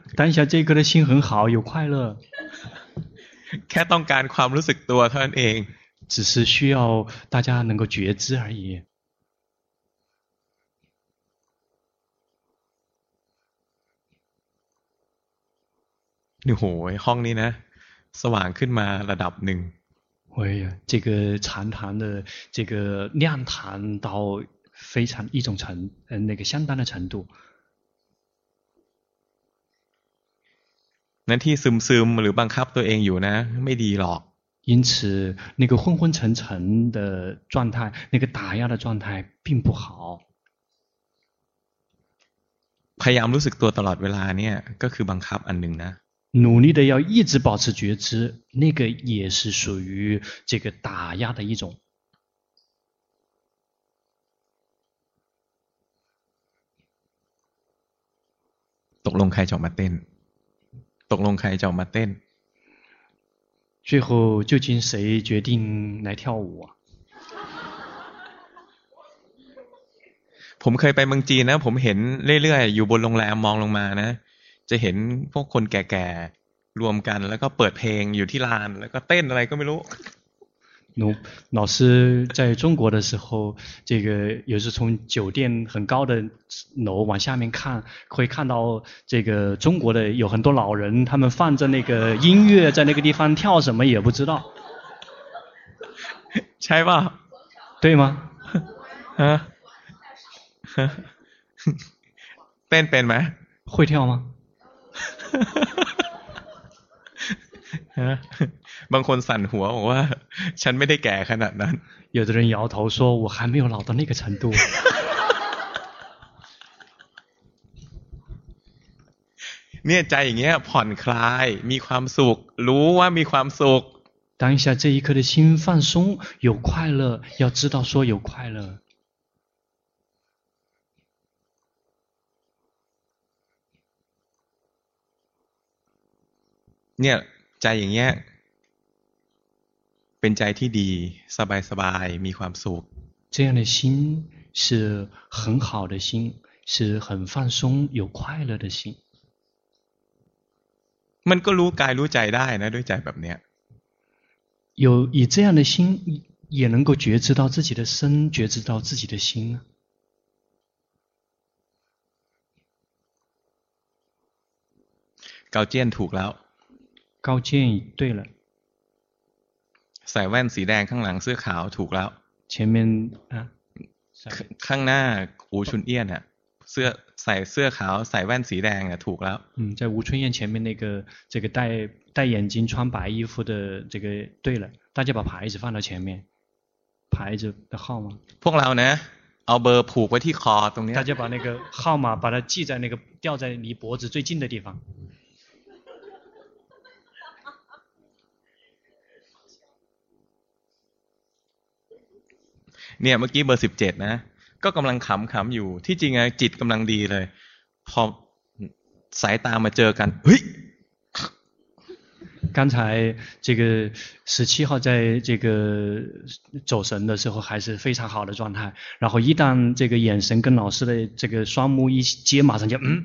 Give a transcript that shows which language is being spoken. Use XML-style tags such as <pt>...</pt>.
<zh>当下这个的心很好有快乐</zh> <th>แค่ต้องการความรู้สึกตัวเท่านั้นเอง</th> <zh>只是需要大家能够觉知而已</zh> <th>นี่โหยห้องนี้นะสว่างขึ้นมาระดับหนึ่ง</th> <zh>哎呀这个禅堂的这个亮堂到非常一种程那个相当的程度</zh> <th>นั้นที่ซึมหรือบังคับตัวเองอยู่นะไม่ดีหรอก</th> <zh>因此那个昏昏沉沉的状态那个打压的状态并不好</zh> <th>พยายามรู้สึกตัวตลอดเวลาเนี่ยก็คือบังคับอันหนึ่งนะ</th> <zh>努力的要一直保持觉知那个也是属于这个打压的一种</zh> <th>ตกลงใครจะมาเต้นตกลงใครจะมาเต้น</th> <zh>最后究竟谁决定来跳舞</zh> <th>ผมเคยไปเมืองจีนนะผมเห็นเรื่อยๆอยู่บนโรงแรมมองลงมานะจะเห็นพวกคนแก่ๆรวมกันแล้วก็เปิดเพลงอยู่ที่ลานแล้วก็เต้นอะไรก็ไม่รู้</th> <zh>老师在中国的时候这个也是从酒店很高的楼往下面看会看到这个中国的有很多老人他们放着那个音乐在那个地方跳什么也不知道猜吧对吗变变吗会跳吗</zh> <th>บางคนสั่นหัวบอกว่าฉันไม่ได้แก่ขนาดนั้น</th> <zh>有的人摇头说我还没有老到那个程度</zh> <th>เนี่ยใจอย่างเงี้ยผ่อนคลายมีความสุขรู้ว่ามีความสุข</th> <zh>当下这一刻的心放松有快乐要知道说有快乐</zh> <th>เนี่ยใจอย่างเงี้ยเป็นใจที่ดีสบายสบายมีความสุข</th> <zh>这样的心是很好的心是很放松有快乐的心</zh> <th>มันก็รู้กายรู้ใจได้นะด้วยใจแบบเนี้ย</th> <zh>有以这样的心也能够觉知到自己的身觉知到自己的心</zh> <th>高见ถูกแล้ว</th> <zh>高见对了</zh> <th>ใส่แว่นสีแดงข้างหลังเสื้อขาวถูกแล้ว</th> <zh>前面啊</zh> <th>ข้างหน้าอูชุนเอี้ยนเนี่ยเสื้อใส่เสื้อขาวใส่แว่นสีแดงเนี่ยถูกแล้ว</th> <zh>在吴春燕前面那个这个戴戴眼镜穿白衣服的这个对了大家把牌子放到前面牌子的号码</zh> <th>พวกเราเนี่ยเอาเบอร์ผูกไว้ที่คอตรงนี้</th> <zh>大家把那个号码把它系在那个吊在离脖子最近的地方</zh> <th>เนี่ยเมื่อกี้เบอร์17นะก็กำลังขำๆอยู่ที่จริงอ่ะจิตกำลังดีเลยพอสายตามาเจอกันเฮ้ย</th> <zh>刚才这个17号在这个走神的时候还是非常好的状态然后一旦这个眼神跟老师的这个双目一接马上就</zh>